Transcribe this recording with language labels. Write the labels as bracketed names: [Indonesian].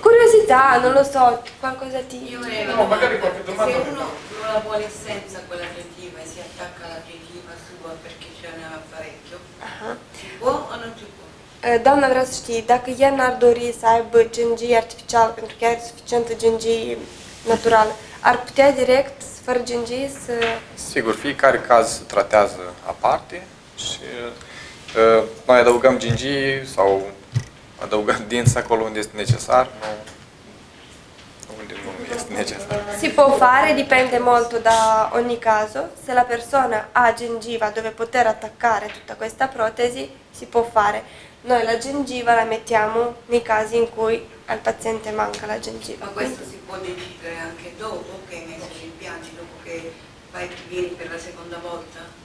[Italian] Curiosità, non lo so, qualcosa ti. Io no, magari qualche domanda. Se uno non la vuole senza quella gengiva e si attacca alla gengiva sua perché ce n'è un apparecchio, può o non ci può? [Romanian] Doamna, vreau să știi, dacă ea n-ar dori să aibă gengii artificiale, pentru că are suficientă gengii naturală, ar putea direct, fără gengii, să. Sigur, fiecare caz se tratează aparte și noi adăugăm gengii sau adăugăm dinți acolo unde este necesar, unde nu este necesar. [Italian] Si può fare, dipende molto da ogni caso. Se la persona ha gengiva dove poter attaccare tutta questa protesi, si può fare. Noi la gengiva la mettiamo nei casi in cui al paziente manca la gengiva. Ma questo si può decidere anche dopo che hai messo gli impianti, dopo che vai e vieni per la seconda volta?